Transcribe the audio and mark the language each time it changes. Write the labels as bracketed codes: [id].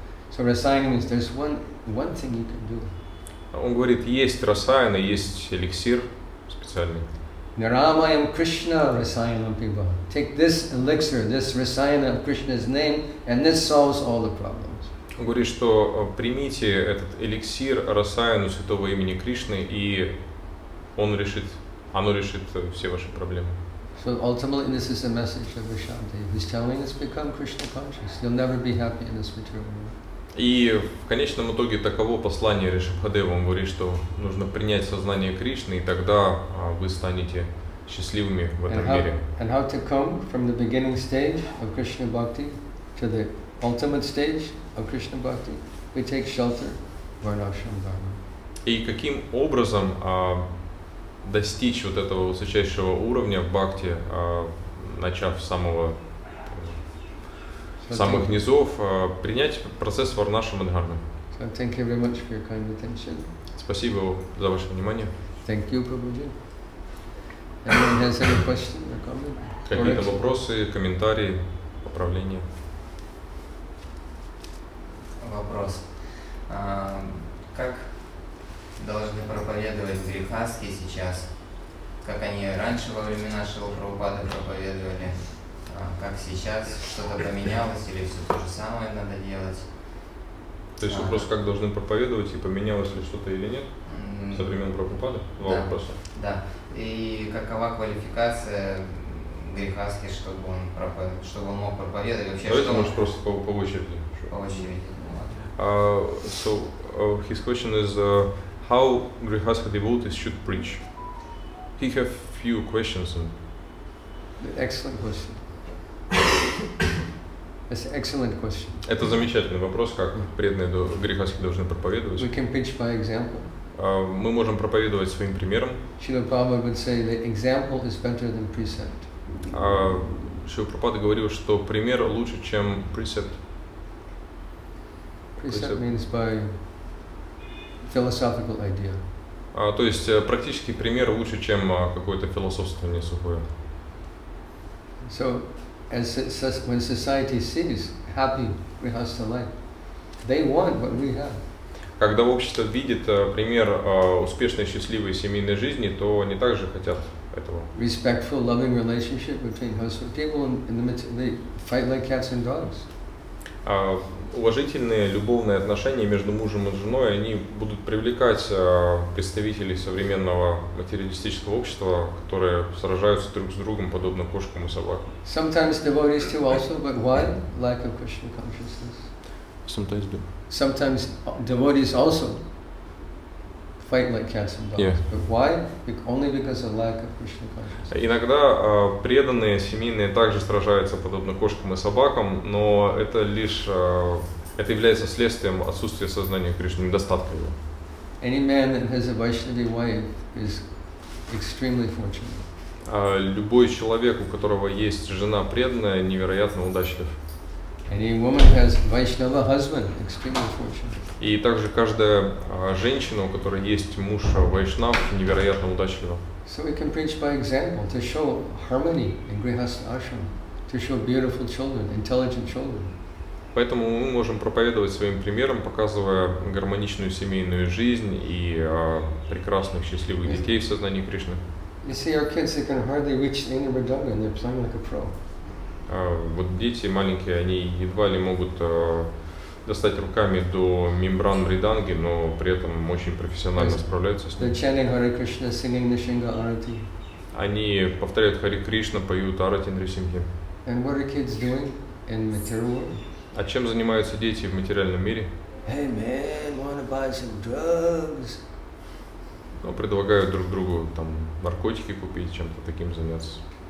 [en] So rasayana means there's one thing you can do. [ru] Он говорит, есть rasayana, есть эликсир специальный. [sa] Нарамаям Кришна Расаянам Пиба. [en] Take this elixir, this Расаяна of Krishna's name, and this solves all the problems. [ru] Он говорит, что примите этот эликсир Расаяну Святого Имени Кришны, и он решит, оно решит все ваши проблемы. [en] So ultimately this is a message of Rishabdev. He's telling us, become Krishna conscious. You'll never be happy in this material world. [ru] И в конечном итоге таково послание Ришабхадева. Он говорит, что нужно принять сознание Кришны, и тогда вы станете счастливыми в этом мире. [en] And how to come from the beginning stage of Krishna Bhakti to the ultimate stage of Krishna Bhakti? We take shelter of Varnashram Dharma. [ru] И каким образом достичь вот этого высочайшего уровня в бхакти, начав с самого самых низов, принять процесс Варнашрама Дхармы. [en] So thank you very much for your kind attention. [ru] Спасибо за ваше внимание. [en] Thank you, Prabhuji. Anyone has any question or comment? [ru] Какие-то вопросы, комментарии, поправления? Вопрос. Как должны проповедовать грехаски сейчас? Как они раньше во времена Шрилы Прабхупады проповедовали? Как сейчас, что-то поменялось или все то же самое надо делать? То есть вопрос, как должны проповедовать, и поменялось ли что-то или нет со времен Прабхупады? Два вопроса. Да. И какова квалификация грехаски, чтобы он проповедовал, чтобы он мог проповедовать? Вообще, давайте, что может, он... просто по очереди. По очереди. [en] So, his question is, how grihastha devotees should preach? He has few questions. Excellent question. That's an excellent question. [ru] Это замечательный вопрос, как преданные грихастхи должны проповедовать. [en] We can preach by example. [ru] Мы можем проповедовать своим примером. [en] Srila Prabhupada would say that example is better than precept. [ru] Srila Prabhupada говорил, что пример лучше, чем precept. [en] Precept means by philosophical idea. [ru] То есть практический пример лучше, чем какое-то философствование сухое. [en] So, as when society sees happy grihastha life, they want what we have. [ru] Когда общество видит пример успешной счастливой семейной жизни, то они также хотят этого. [en] Respectful, loving relationship between household people in the midst, they fight like cats and dogs. [ru] Уважительные любовные отношения между мужем и женой, они будут привлекать представителей современного материалистического общества, которые сражаются друг с другом, подобно кошкам и собакам. [en] Sometimes devotees too also, but why? Lack of Krishna consciousness. Sometimes do. Sometimes devotees also fight like cats and dogs. Yeah. But why? Only because of lack of Krishna consciousness. [ru] Иногда преданные семейные также сражаются подобно кошкам и собакам, но это лишь это является следствием отсутствия сознания Кришны, недостатка его. [en] Any man that has a Vaishnavi wife is extremely fortunate. [ru] Любой человек, у которого есть жена преданная, невероятно удачлив. [en] Any woman has Vaishnava husband, extremely fortunate. [ru] И также каждая женщина, у которой есть муж вайшнав, невероятно удачлива. [en] So we can preach by example to show harmony in grihastha ashram, to show beautiful children, intelligent children. [ru] Поэтому мы можем проповедовать своим примером, показывая гармоничную семейную жизнь и прекрасных счастливых детей в сознании Кришны. [en] You see, our kids, they can hardly reach any Vrindavan, and they're playing like a pro. [ru] Вот дети маленькие, они едва ли могут достать руками до мембран Вриданги, но при этом очень профессионально справляются с ним. [en] They're chanting Hare Krishna, singing Nrisimha Arati. [ru] Они повторяют Hare Krishna, поют Arati Nrisimhi. [en] And what are kids doing in material world? [ru] А чем занимаются дети в материальном мире? [en] Hey man, wanna buy some drugs? [ru] Ну, предлагают друг другу там наркотики купить, чем-то таким заняться.